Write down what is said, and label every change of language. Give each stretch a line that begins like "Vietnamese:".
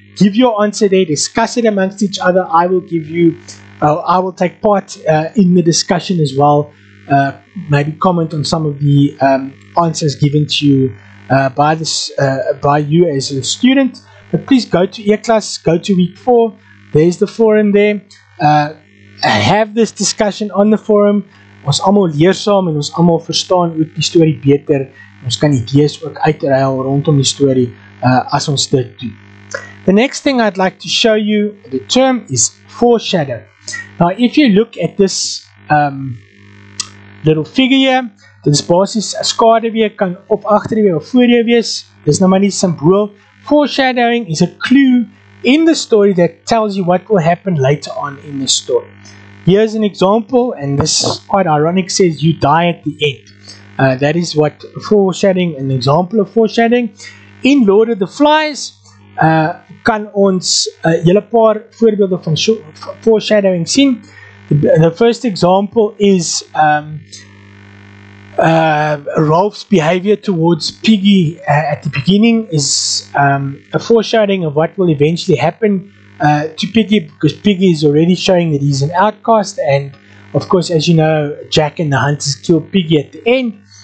English: Give your answer there, discuss it amongst each other. I will give you, I will take part in the discussion as well. Maybe comment on some of the answers given to you by you as a student. But please go to E-class, go to week 4, there's the forum there. Have this discussion on the forum.
Afrikaans: Ons almal leer saam en ons almal verstaan ook die story beter. Ons kan idees ook uitruil rondom die story as ons dit doen.
English: The next thing I'd like to show you, the term is foreshadow. Now, if you look at this little figure here,
Afrikaans: dit is basis, as skaduwee kan op agterwee of voorwee wees, dit is nou maar nie simbool.
English: Foreshadowing is a clue in the story that tells you what will happen later on in the story. Here's an example, and this is quite ironic, says you die at the end. That is what foreshadowing, an example of foreshadowing.
Afrikaans: In Lord of the Flies, kan ons julle paar voorbeelde van foreshadowing sien.
English: The first example is Rolf's behavior towards Piggy at the beginning is a foreshadowing of what will eventually happen to Piggy, because Piggy is already showing that he's an outcast, and of course, as you know, Jack and the Hunters kill Piggy at the end.